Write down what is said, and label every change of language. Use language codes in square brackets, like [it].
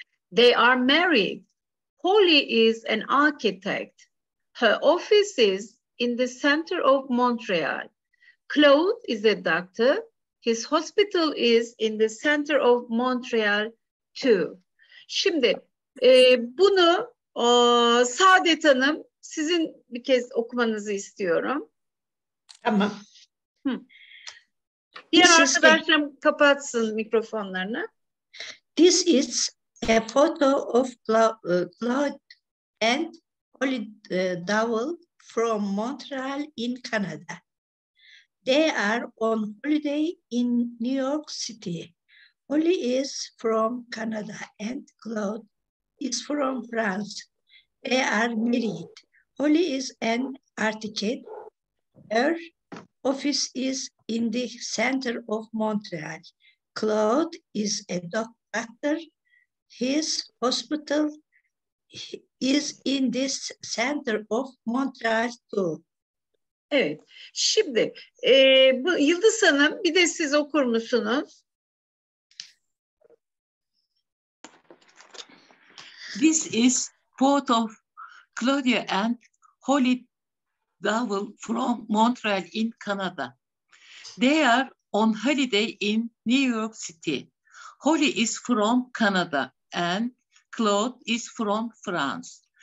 [en] They are married. Holly is an architect. Her office is in the center of Montreal. Claude is a doctor. His hospital is in the center of Montreal too. [tr] Şimdi bunu Saadet Hanım sizin bir kez okumanızı istiyorum. Tamam. Diğer arkadaşlarım kapatsın mikrofonlarını. [en] This is a photo of Claude and Holly Duval from Montreal in Canada. They are on holiday in New York City. Holly is from Canada and Claude is from France. They are married. Holly is an architect. Her office is in the center of Montreal. Claude is a doctor. His hospital is in this center of Montreal too. [tr] Evet. Şimdi bu Yıldız Hanım bir de siz okur musunuz? [en] This is photo of Claudia and Holly Duval from Montreal in Canada. They are on holiday in New York City. Holly is from Canada and Claude is from France.